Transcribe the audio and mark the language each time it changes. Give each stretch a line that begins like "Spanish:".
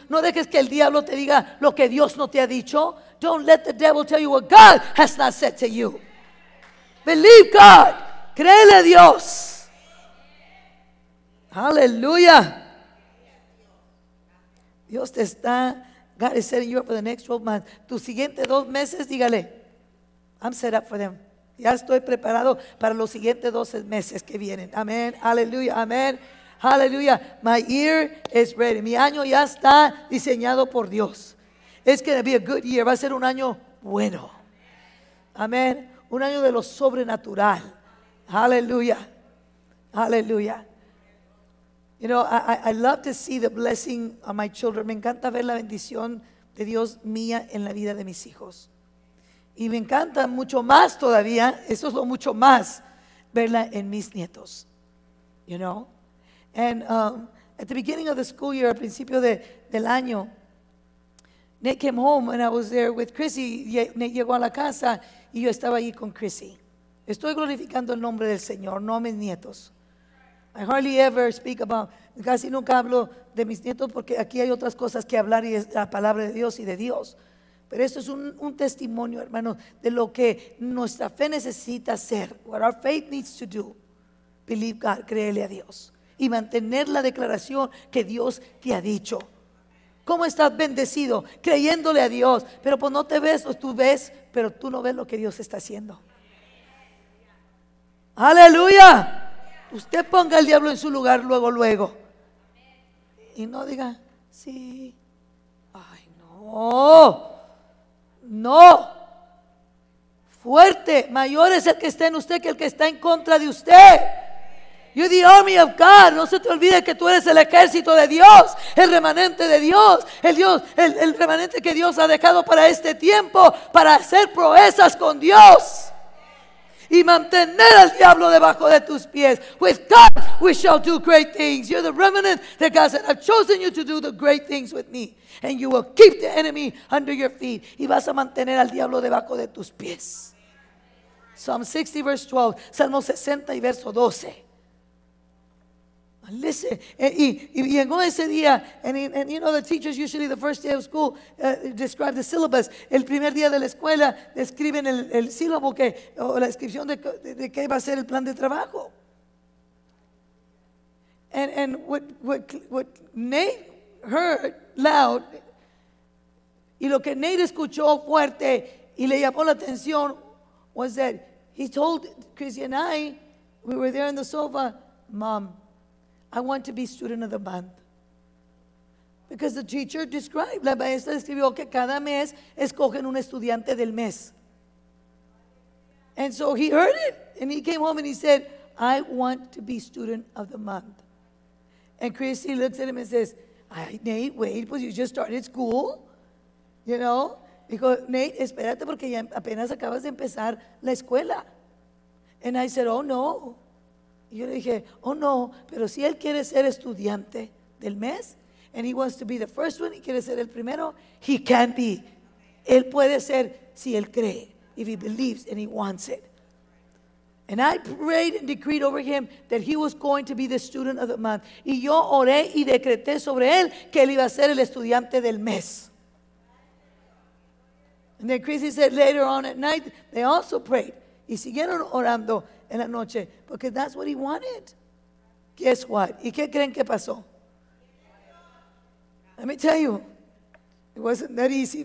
Spanish: No dejes que el diablo te diga lo que Dios no te ha dicho.
English: Don't let the devil tell you what God has not said to you. Believe God.
Spanish: Créele a Dios. Hallelujah. Dios te está,
English: God is setting you up for the next 12 months.
Spanish: Tus siguientes dos meses, dígale,
English: I'm set up for them.
Spanish: Ya estoy preparado para los siguientes 12 meses que vienen. Amén, aleluya, amén, aleluya.
English: My year is ready.
Spanish: Mi año ya está diseñado por Dios.
English: It's going to be a good year.
Spanish: Va a ser un año bueno. Amén. Un año de lo sobrenatural. Aleluya, aleluya.
English: You know, I love to see the blessing on my children.
Spanish: Me encanta ver la bendición de Dios mía en la vida de mis hijos. Y me encanta mucho más todavía, eso es lo mucho más, verla en mis nietos.
English: You know? And at the beginning of the school year,
Spanish: al principio del año,
English: Nate came home and I was there with Chrissy.
Spanish: Nate llegó a la casa y yo estaba ahí con Chrissy. Estoy glorificando el nombre del Señor, no a mis nietos.
English: I hardly ever speak about,
Spanish: casi nunca hablo de mis nietos porque aquí hay otras cosas que hablar y es la palabra de Dios y de Dios. Pero esto es un testimonio, hermanos, de lo que nuestra fe necesita hacer.
English: What our faith needs to do, believe God,
Spanish: créele a Dios. Y mantener la declaración que Dios te ha dicho. ¿Cómo estás bendecido? Creyéndole a Dios. Pero pues no te ves, o tú ves, pero tú no ves lo que Dios está haciendo. ¡Aleluya! Usted ponga al diablo en su lugar luego, luego. Y no diga, sí. ¡Ay, no! ¡No! ¡Fuerte! Mayor es el que está en usted que el que está en contra de usted.
English: You're the army of God.
Spanish: No se te olvide que tú eres el ejército de Dios, el remanente de Dios, el remanente que Dios ha dejado para este tiempo, para hacer proezas con Dios. Y mantener al diablo debajo de tus pies.
English: With God, we shall do great things. You're the remnant that God said, I've chosen you to do the great things with me. And you will keep the enemy under your feet.
Spanish: Y vas a mantener al diablo debajo de tus pies.
English: Psalm 60, verse 12.
Spanish: Salmo 60 y verso 12.
English: And listen, and you know, the teachers usually the first day of school describe the syllabus.
Spanish: El primer día de la escuela describen el sílabo que o la descripción de qué va a ser el plan de trabajo.
English: And what Nate heard loud,
Spanish: y lo que Nate escuchó fuerte y le llamó la atención,
English: was that he told Chrissy and I, we were there on the sofa, "Mom, I want to be student of the month." Because the teacher described,
Spanish: la maestra describió que cada mes escogen un estudiante del mes.
English: And so he heard it, and he came home and he said, "I want to be student of the month." And Chrissy looks at him and says, "Nate, wait, but you just started school, you know?"
Spanish: Dijo, "Nate, espérate porque ya apenas acabas de empezar la escuela."
English: And I said,
Spanish: "Oh, no." Y yo le dije, "Oh, no, pero si él quiere ser estudiante del mes,
English: and he wants to be the first one,
Spanish: y quiere ser el primero,
English: he can be.
Spanish: Él puede ser si él cree,
English: if he believes and he wants it." And I prayed and decreed over him that he was going to be the student of the month.
Spanish: Y yo oré y decreté sobre él que él iba a ser el estudiante del mes.
English: And then Chrissy said later on at night, they also prayed.
Spanish: Y siguieron orando en la noche, porque
English: that's what he wanted. Guess what?
Spanish: ¿Y qué creen que pasó?
English: Let me tell you, it wasn't that easy.